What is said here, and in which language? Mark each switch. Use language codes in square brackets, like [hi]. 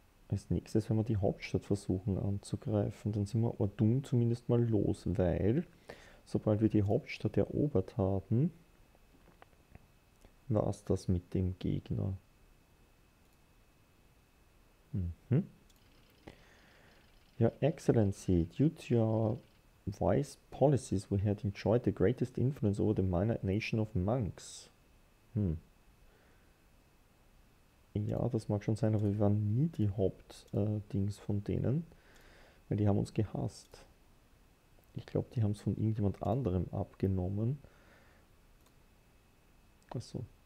[de] Als nächstes, wenn wir die Hauptstadt versuchen anzugreifen, dann sind wir Ordun zumindest mal los, weil sobald wir die Hauptstadt erobert haben, war es das mit dem Gegner. [en] Your Excellency, due to your wise policies, we had enjoyed the greatest influence over the minor nation of monks. [de] Ja, das mag schon sein, aber wir waren nie die Hauptdings von denen, weil die haben uns gehasst. Ich glaube, die haben es von irgendjemand anderem abgenommen. Ach so.